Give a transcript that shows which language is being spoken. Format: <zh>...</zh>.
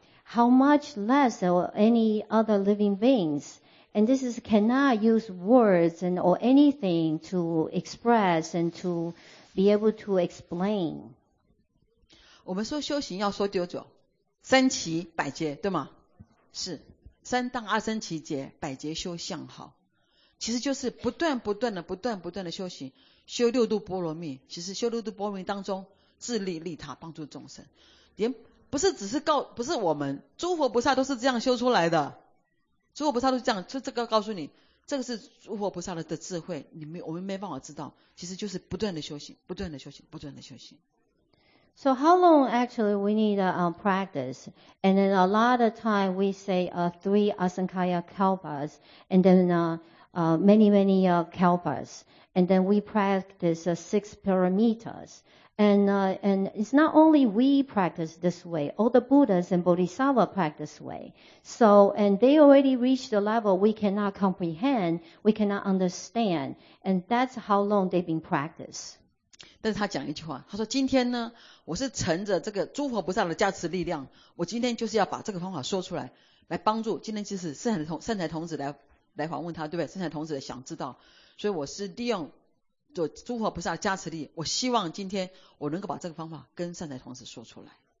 <en>How much less or any other living beings? And this is cannot use words and or anything to express and to be able to explain.</en> <zh>我们说修行要说多久？三期百劫，对吗？是三当二生期劫，百劫修相好，其实就是不断不断的、不断不断的修行，修六度波罗蜜。其实修六度波罗蜜当中，自利利他，帮助众生，连。不是只是告，不是我们诸佛菩萨都是这样修出来的，诸佛菩萨都是这样，就这个告诉你，这个是诸佛菩萨的智慧，我们没办法知道，其实就是不断的修行，不断的修行，不断的修行。</zh> <en>So how long actually we need practice? And then a lot of time we say three asankhya kalpas, and then many kalpas, and then we practice six paramitas. And it's not only we practice this way, all the Buddhas and Bodhisattva practice this way. So, and they already reached a level we cannot comprehend, we cannot understand. And that's how long they've been practiced.</en> <zh>但是他讲一句话，他说今天呢，我是乘着这个诸佛菩萨的加持力量，我今天就是要把这个方法说出来，来帮助，今天就是善财童子来访问他，对不对？善财童子想知道，所以我是利用诸佛菩萨加持力，我希望今天我能够把这个方法跟善财童子说出来。</zh>